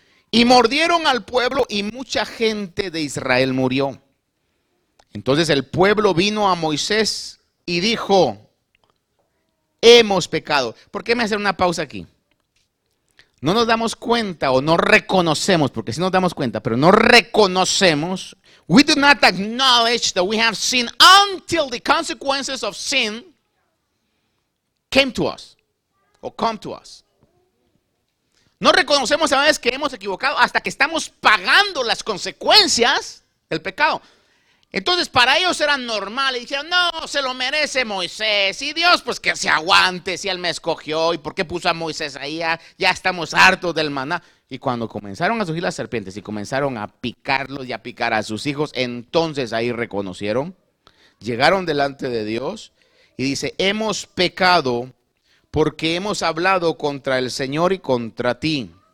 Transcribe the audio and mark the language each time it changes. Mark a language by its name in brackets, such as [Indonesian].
[Spanish] Y mordieron al pueblo y mucha gente de Israel murió. Entonces el pueblo vino a Moisés y dijo, hemos pecado. ¿Por qué me hacen una pausa aquí? No nos damos cuenta o no reconocemos, porque sí nos damos cuenta, pero no reconocemos. [English] We do not acknowledge that we have sinned until the consequences of sin came to us or come to us. [Spanish] No reconocemos a veces que hemos equivocado hasta que estamos pagando las consecuencias del pecado. Entonces, para ellos era normal. Y dijeron, no, se lo merece Moisés. Y Dios, pues que se aguante si él me escogió. ¿Y por qué puso a Moisés ahí? Ya estamos hartos del maná. Y cuando comenzaron a surgir las serpientes y comenzaron a picarlos y a picar a sus hijos, entonces ahí reconocieron, llegaron delante de Dios y dice, hemos pecado porque hemos hablado contra el Señor y contra ti.